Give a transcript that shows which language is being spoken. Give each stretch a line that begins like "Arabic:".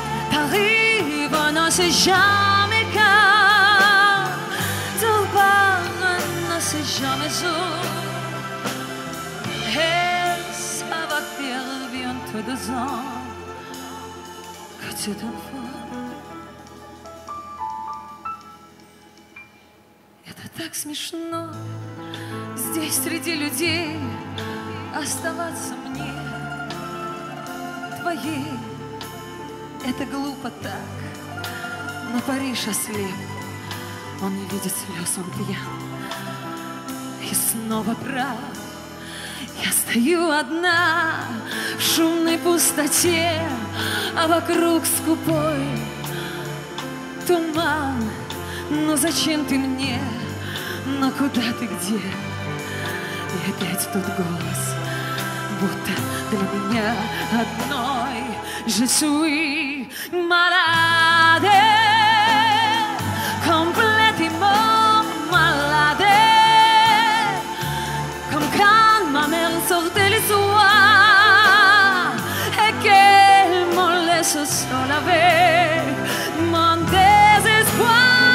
French: T'arrives, on ne sait jamais quand. Tu pars, on ne sait jamais où. Et ça va faire bientôt deux ans que tu t'en fous.
Russian: Так смешно здесь среди людей оставаться мне твоей. Это глупо так, но Париж ослеп. Он не видит слез, он пьян и снова прав. Я стою одна в шумной пустоте, а вокруг скупой туман. Но зачем ты мне? Но куда ты, где? И опять тот голос, будто для меня одной.
French: Je suis malade, complètement malade. Comme quand ma mère sortait le soir et qu'elle me laisse seule avec mon désespoir.